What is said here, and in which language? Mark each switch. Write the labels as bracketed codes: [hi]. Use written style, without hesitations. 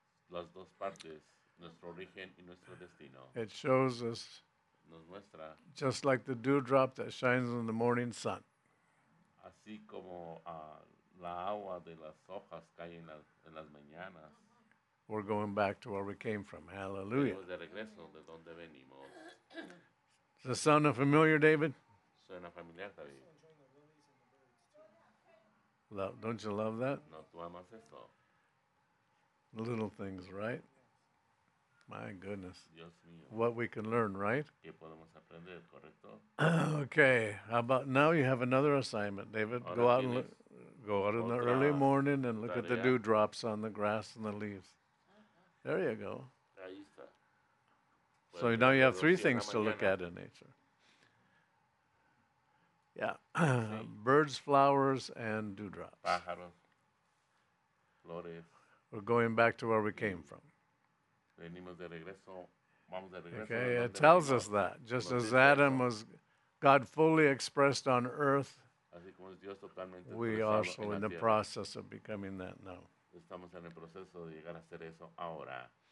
[es] las dos partes, nuestro origen y nuestro destino. [en] It shows us, [es] nos muestra, [en] just like the dewdrop that shines in the morning sun. [es] Así como la agua de las hojas cae en las mañanas. [en] We're going back to where we came from. Hallelujah. [es] De regreso de donde venimos. [en] Does that sound familiar, David? [es] Suena familiar, David. [en] Love, don't you love that? [es] No, tú amas esto. [en] Little things, right? My goodness. [es] Dios mío. [en] What we can learn, right? [es] ¿Qué podemos aprender, correcto? [en] Okay, how about now you have another assignment, David. [es] Ahora [en] go out and go out in the early morning and look at the dewdrops on the grass and the leaves. There you go. [es] Ahí está. [en] So now you have three things to look at in nature. Yeah, sí. Birds, flowers, and dewdrops. [es] Pájaros, flores. [en] We're going back to where we came from. [es] Venimos de regreso. Vamos de regreso. [en] Okay, it tells us that. Just as Adam was God fully expressed on earth, [es] así como es Dios totalmente, [en] we are also in the process of becoming that now. [es] Estamos en el proceso de llegar a ser eso ahora.